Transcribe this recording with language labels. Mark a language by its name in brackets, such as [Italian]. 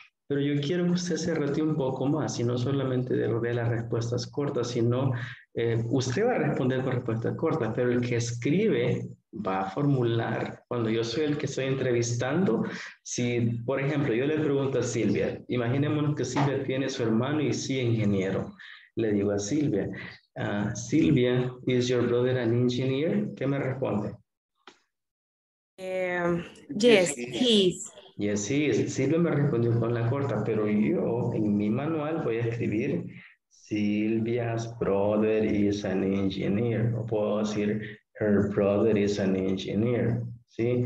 [Spanish] Pero yo quiero que usted se rete un poco más y no solamente de las respuestas cortas, sino usted va a responder con respuestas cortas, pero el que escribe va a formular. Cuando yo soy el que estoy entrevistando, si, por ejemplo, yo le pregunto a Silvia, imaginémonos que Silvia tiene su hermano y sí ingeniero. Le digo a Silvia, [English] Silvia, is your brother an engineer? [Spanish] ¿Qué me responde? [English] Yes, he's. [Spanish] Y así, Silvia me respondió con la corta, pero yo en mi manual voy a escribir [English] Silvia's brother is an engineer. [Spanish] O puedo decir [English] her brother is an engineer. [Spanish] ¿Sí?